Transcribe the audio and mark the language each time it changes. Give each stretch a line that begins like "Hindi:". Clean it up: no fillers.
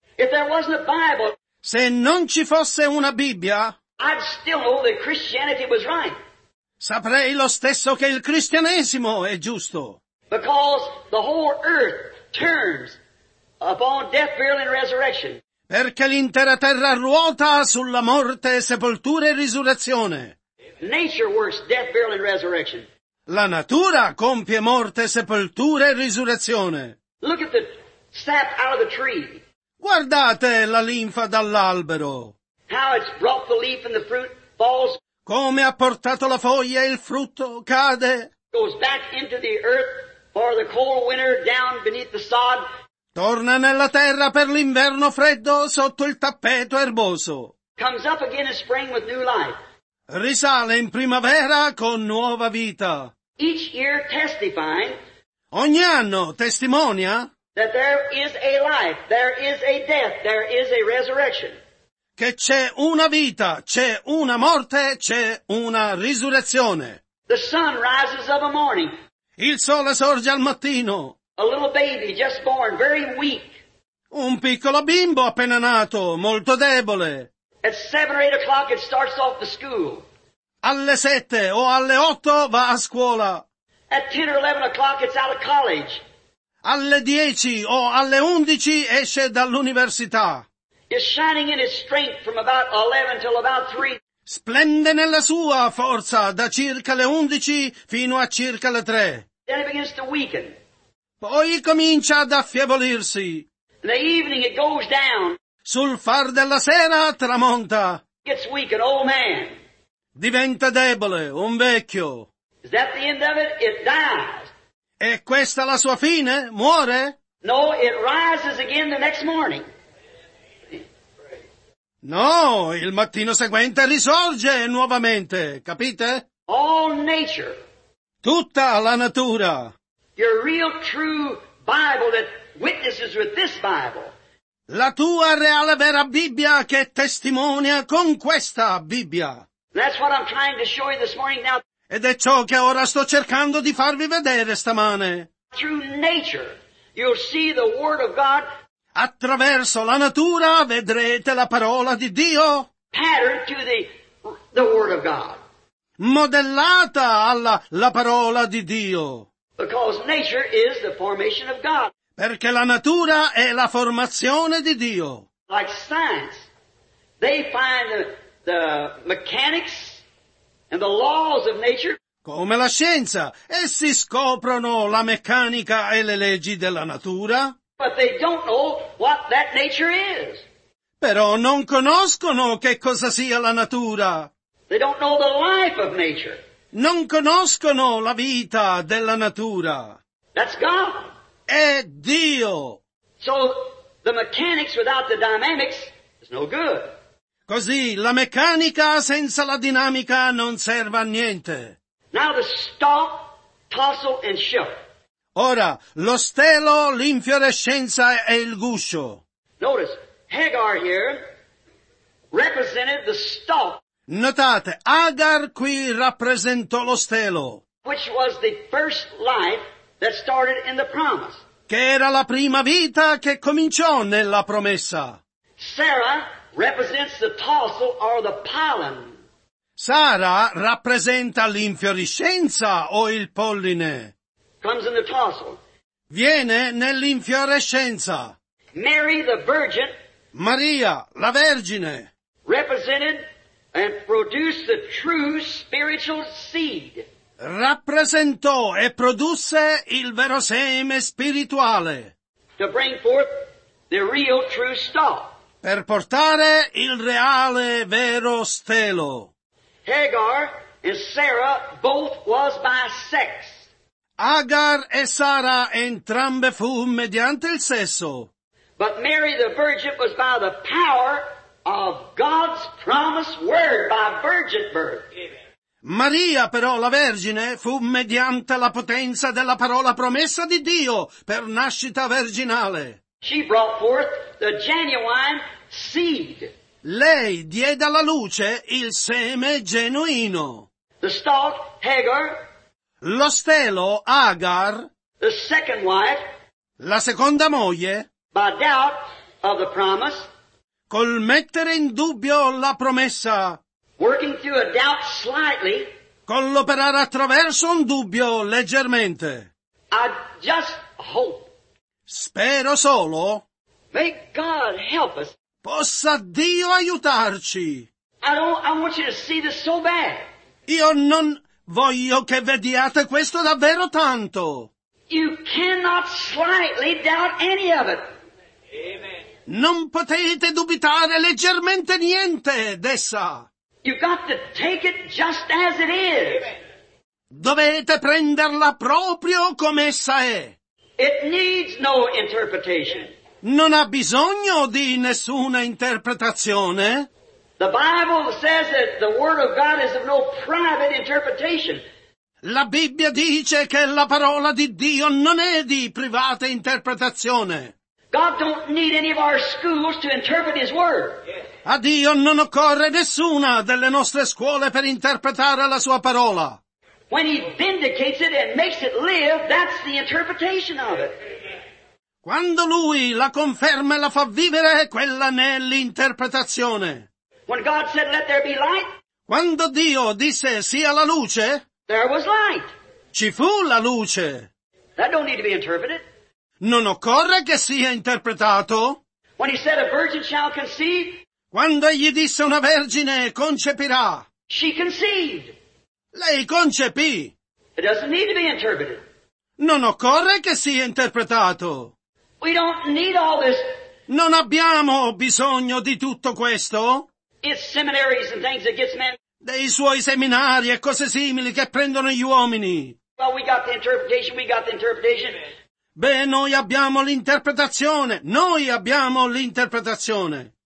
English: If there wasn't a Bible,
Italian: se non ci fosse una Bibbia,
English: I'd still know that Christianity was right.
Italian: Saprei lo stesso che il cristianesimo è giusto.
English: Because the whole earth turns upon death, burial, and resurrection.
Italian: Perché l'intera terra ruota sulla morte, sepoltura e risurrezione.
English: Nature works death, burial, and resurrection.
Italian: La natura compie morte, sepoltura e risurrezione.
English: Look at the sap out of the tree.
Italian: Guardate la linfa dall'albero.
English: How it's brought the leaf and the fruit falls.
Italian: Come ha portato la foglia e il frutto cade.
English: Goes back into the earth for the cold winter down beneath the sod.
Italian: Torna nella terra per l'inverno freddo sotto il tappeto erboso.
English: Comes up again in spring with new life.
Italian: Risale in primavera con nuova vita.
English: Each year testifying.
Italian: Ogni anno testimonia.
English: That there is a life, there is a death, there is a resurrection.
Italian: Che c'è una vita, c'è una morte, c'è una risurrezione.
English: The sun rises of a morning.
Italian: Il sole sorge al mattino.
English: A little baby just born, very weak.
Italian: Un piccolo bimbo appena nato, molto debole.
English: At 7 or 8 o'clock it starts off the school.
Italian: Alle 7 o alle 8 va a scuola.
English: At 10 or 11 o'clock it's out of college.
Italian: Alle 10 o alle 11 esce dall'università.
English: Is shining in his strength from about 11 till about 3.
Italian: Splende nella sua forza da circa le 11 fino a circa le 3.
English: Then it begins to weaken.
Italian: Poi comincia ad affievolirsi.
English: In the evening it goes down.
Italian: Sul far della sera tramonta.
English: Gets weak, an old man.
Italian: Diventa debole, un vecchio.
English: Is that the end of it? It dies.
Italian: E questa la sua fine? Muore?
English: No, it rises again the next morning.
Italian: No, il mattino seguente risorge nuovamente, capite?
English: All nature.
Italian: Tutta la natura.
English: Your real true Bible that witnesses with this Bible.
Italian: La tua reale vera Bibbia che testimonia con questa Bibbia.
English: That's what I'm trying to show you this morning now.
Italian: Ed è ciò che ora sto cercando di farvi vedere stamane.
English: Through nature you'll see the Word of God.
Italian: Attraverso la natura vedrete la parola di Dio.
English: Patterned to the Word of God.
Italian: Modellata alla la parola di Dio.
English: Because nature is the formation of God.
Italian: Perché la natura è la formazione di Dio.
English: Like science, they find the mechanics and the laws of nature.
Italian: Come la scienza, essi scoprono la meccanica e le leggi della natura.
English: But they don't know what that nature is.
Italian: Però non conoscono che cosa sia la natura.
English: They don't know the life of nature.
Italian: Non conoscono la vita della natura.
English: That's God.
Italian: È Dio.
English: So the mechanics without the dynamics is no good.
Italian: Così la meccanica senza la dinamica non serve a niente.
English: Now the stalk, tassel and shelf.
Italian: Ora, lo stelo, l'infiorescenza e il guscio.
English: Notice, Hagar here represented the stalk.
Italian: Notate, Hagar qui rappresentò lo stelo.
English: Which was the first life that started in the promise.
Italian: Che era la prima vita che cominciò nella promessa.
English: Sarah represents the tassel or the pollen.
Italian: Sara rappresenta l'infiorescenza o il polline.
English: Comes in the tassel.
Italian: Viene nell'infiorescenza.
English: Mary the virgin.
Italian: Maria, la vergine.
English: Represented and produced the true spiritual seed.
Italian: Rappresentò e produsse il vero seme spirituale.
English: To bring forth the real true stalk.
Italian: Per portare il reale vero stelo.
English: Hagar and Sarah both was by sex.
Italian: Agar e Sara entrambe fu mediante il sesso.
English: But Mary the virgin was by the power of God's promised word, by virgin birth. Amen.
Italian: Maria, però, la Vergine, fu mediante la potenza della parola promessa di Dio per nascita virginale.
English: She brought forth the genuine seed.
Italian: Lei diede alla luce il seme genuino.
English: The stalk, Hagar.
Italian: Lo stelo, Agar.
English: The second wife.
Italian: La seconda moglie.
English: By doubt of the promise.
Italian: Col mettere in dubbio la promessa.
English: Working through a doubt slightly.
Italian: Con l'operare attraverso un dubbio leggermente.
English: I just hope.
Italian: Spero solo.
English: May God help us.
Italian: Possa Dio aiutarci.
English: I want you to see this so bad.
Italian: Io non voglio che vediate questo davvero tanto.
English: You cannot slightly doubt any of it. Amen.
Italian: Non potete dubitare leggermente niente d'essa.
English: You've got to take it just as it is.
Italian: Dovete prenderla proprio come essa è.
English: It needs no interpretation.
Italian: Non ha bisogno di nessuna interpretazione.
English: The Bible says that the Word of God is of no private interpretation.
Italian: La Bibbia dice che la parola di Dio non è di private interpretazione.
English: God don't need any of our schools to interpret His Word.
Italian: A Dio non occorre nessuna delle nostre scuole per interpretare la Sua parola.
English: When He vindicates it and makes it live, that's the interpretation of it.
Italian: Quando Lui la conferma e la fa vivere, quella ne è l'interpretazione.
English: When God said, "Let there be light,"
Italian: quando Dio disse, "Sia la luce,"
English: there was light.
Italian: Ci fu la luce.
English: That don't need to be interpreted.
Italian: Non occorre che sia interpretato.
English: When he said a virgin shall conceive,
Italian: quando egli disse una vergine concepirà,
English: she conceived.
Italian: Lei concepì.
English: It doesn't need to be interpreted.
Italian: Non occorre che sia interpretato.
English: We don't need all this.
Italian: Non abbiamo bisogno di tutto questo.
English: It's seminaries and things that gets men.
Italian: Dei suoi seminari e cose simili che prendono gli uomini.
English: Well, we got the interpretation, we got the interpretation.
Italian: Beh, noi abbiamo l'interpretazione. Noi abbiamo l'interpretazione.